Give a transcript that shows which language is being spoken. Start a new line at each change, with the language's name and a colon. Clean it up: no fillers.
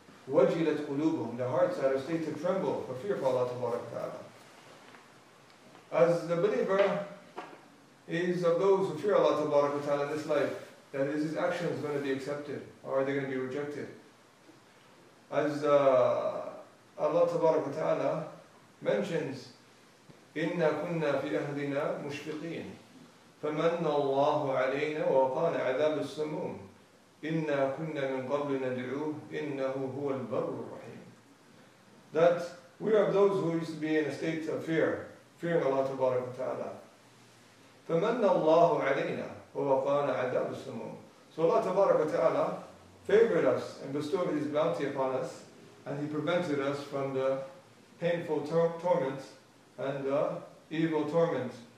Arabic: وَجِلَتْ قُلُوبُهُمْ,
English: their hearts are a state to tremble for fear for Allah Tabaraka Ta'ala. As the believer is of those who fear Allah Tabaraka Ta'ala in this life, that is, his actions going to be accepted or are they going to be rejected? As Allah Tabaraka Ta'ala mentions,
Arabic: إِنَّا كُنَّا فِي أَهْدِنَا مُشْفِقِينَ فَمَنَّ اللَّهُ عَلَيْنَا وَقَانَ عَذَابُ السَّمُومِ إِنَّا كُنَّا مِنْ قَبْلِ نَدْعُوهُ إِنَّهُ هُوَ الْبَرُّ الرَّحِيمُ.
English: That we are of those who used to be in a state of fear, fearing Allah Tabaraka Ta'ala.
Arabic: فَمَنَّ اللَّهُ عَلَيْنَا وَوَقَانَ عَذَابُ السَّمُومِ.
English: So Allah Tabaraka Ta'ala favored us and bestowed His bounty upon us, and He prevented us from the painful torment and the evil torment.